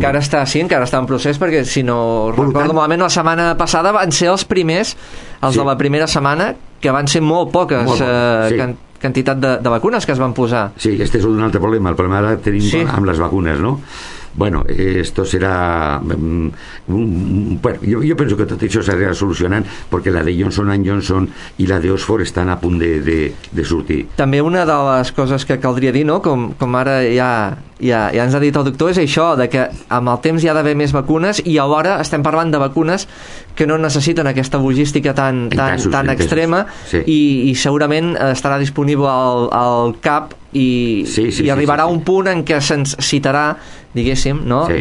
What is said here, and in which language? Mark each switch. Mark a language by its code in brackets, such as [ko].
[ca] Encara està, sí, encara està en procés, perquè si no recordo malament, la setmana passada van ser els primers, els de la primera setmana, que van ser molt poques quantitat de vacunes que es van posar. Sí, aquest és un altre problema, el problema que tenim amb les vacunes, no? [es] Bueno, esto será... bueno, yo pienso que todo eso se va a solucionar porque la de Johnson & Johnson y la de Oxford están [ca] a punt de sortir. També una de les coses que caldria dir, no? com ara ja ens ha dit el doctor, és això, de que amb el temps hi ha d'haver més vacunes i alhora estem parlant de vacunes que no necessiten aquesta logística tan extrema i segurament estarà disponible al CAP i arribarà un punt en què se'ns citarà, diguéssim, no? Sí.